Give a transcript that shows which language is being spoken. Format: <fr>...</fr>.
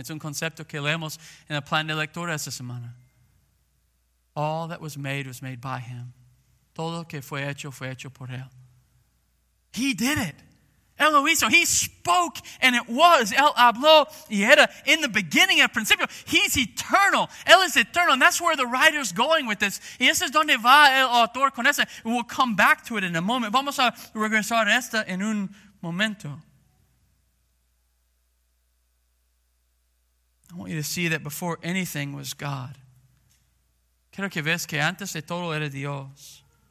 <en>It's</en> <es>un concepto que leemos en el plan de lectura esta semana.</es> <en>All that was made by him.</en> <es>Todo que fue hecho por él.</es> <en>He did it.</en> <es>Él lo hizo.</es> <en>He spoke and it was.</en> <es>Él habló y era</es> <en>in the beginning, at principio. He's eternal.</en> <es>Él es eterno.</es> <en>And that's where the writer's going with this.</en> <es>Y ese es donde va el autor con ese.</es> <en>We'll come back to it in a moment.</en> <es>Vamos a regresar a esta en un momento.</es> <en>I want you to see that before anything was God.</en> <es>Quiero que veas que antes de todo era Dios.</es>